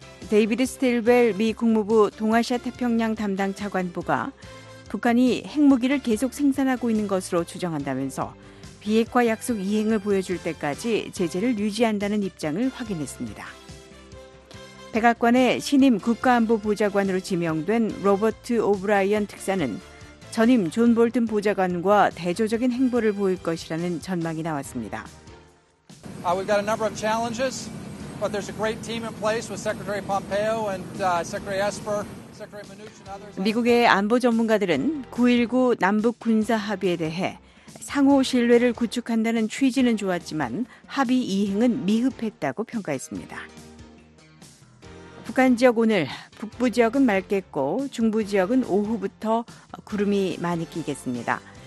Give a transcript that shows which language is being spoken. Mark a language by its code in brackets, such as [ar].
[ko] 데이비드 스틸벨 미 국무부 동아시아 태평양 담당 차관보가 북한이 핵무기를 계속 생산하고 있는 것으로 추정한다면서 비핵화 약속 이행을 보여줄 때까지 제재를 유지한다는 입장을 확인했습니다. 백악관의 신임 국가안보보좌관으로 지명된 로버트 오브라이언 특사는 전임 존 볼튼 보좌관과 대조적인 행보를 보일 것이라는 전망이 나왔습니다. [en] We've got a number of challenges, but there's a great team in place with Secretary Pompeo and Secretary Esper. [ko] 미국의 안보 전문가들은 9.19 남북 군사 합의에 대해 상호 신뢰를 구축한다는 취지는 좋았지만 합의 이행은 미흡했다고 평가했습니다. 북한 지역 오늘 북부 지역은 맑겠고 중부 지역은 오후부터 구름이 많이 끼겠습니다.